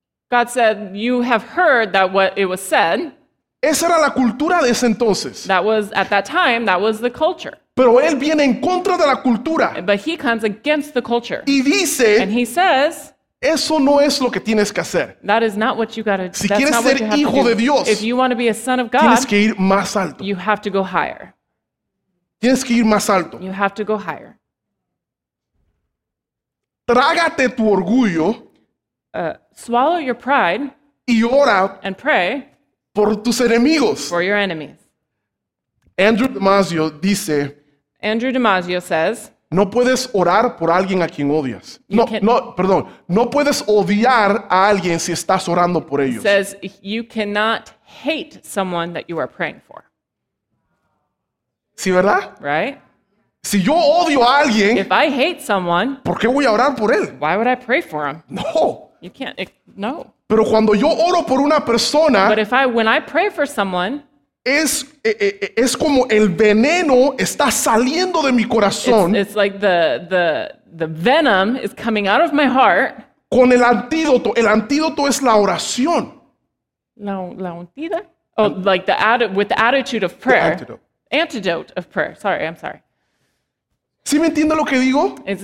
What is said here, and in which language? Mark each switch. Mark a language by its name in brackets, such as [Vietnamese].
[English] God said, you have heard that what it was said. [Spanish] Esa era la cultura de ese entonces. [English] That was at that time, that was the culture. [Spanish] Pero él viene en contra de la cultura. [English] But he comes against the culture. [Spanish] Y dice, [English] and he says, [Spanish] eso no es lo que tienes que hacer. [English] That is not what you gotta, [Spanish] si quieres ser hijo de Dios, [English] if you want to be a son of God, [Spanish] tienes que ir más alto. [English] You have to go higher. [Spanish] Tienes que ir más alto. [English] You have to go higher. [Spanish] Trágate tu orgullo. [English] Swallow your pride. [Spanish] Y ora. [English] And pray. [Spanish] Por tus enemigos. [English] For your enemies. [Spanish] Andrew DiMaggio dice, [English] Andrew DiMaggio says, [Spanish] no puedes orar por alguien a quien odias. No puedes odiar a alguien si estás orando por ellos. [English] Says you cannot hate someone that you are praying for. [Spanish] ¿Sí, verdad? [English] Right? [Spanish] Si yo odio a alguien, [English] if I hate someone, [Spanish] ¿por qué voy a orar por él? [English] Why would I pray for him? [Spanish] No. [English] You can't. No. [Spanish] Pero cuando yo oro por una persona, [English] but if I, when I pray for someone, [Spanish] es como el veneno está saliendo de mi corazón. [English] It's like the venom is coming out of my heart. [Spanish] Con el antídoto. El antídoto es la oración. La antídota. [English] Oh, like with the attitude of prayer. The antidote. Antidote of prayer. Sorry, I'm sorry. [Spanish] ¿Sí me entiendo lo que digo?